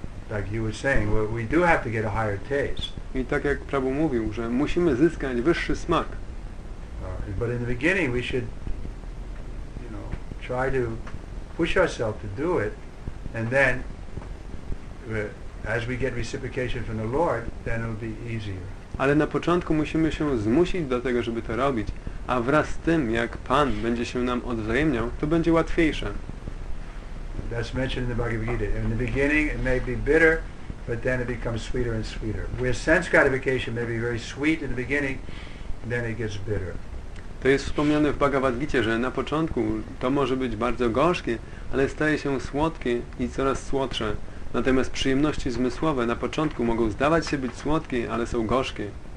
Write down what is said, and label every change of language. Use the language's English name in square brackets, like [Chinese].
[English] Like you were saying, well, we do have to get a higher taste. [Polish] I tak jak Prabhu mówił, że musimy zyskać wyższy smak. [English] But in the beginning we should, you know, try to push ourselves to do it, and then as we get reciprocation from the Lord, then it'll be easier. [Polish] Ale na początku musimy się zmusić do tego, żeby to robić, a wraz z tym, jak Pan będzie się nam odwzajemniał, to będzie łatwiejsze. [English] That's mentioned in the Bhagavad Gita. In the beginning it may be bitter, but then it becomes sweeter and sweeter. Where sense gratification may be very sweet in the beginning, then it gets bitter. [Polish] To jest wspomniane w Bhagavad Gita, że na początku to może być bardzo gorzkie, ale staje się słodkie i coraz słodsze. Natomiast przyjemności zmysłowe na początku mogą zdawać się być słodkie, ale są gorzkie.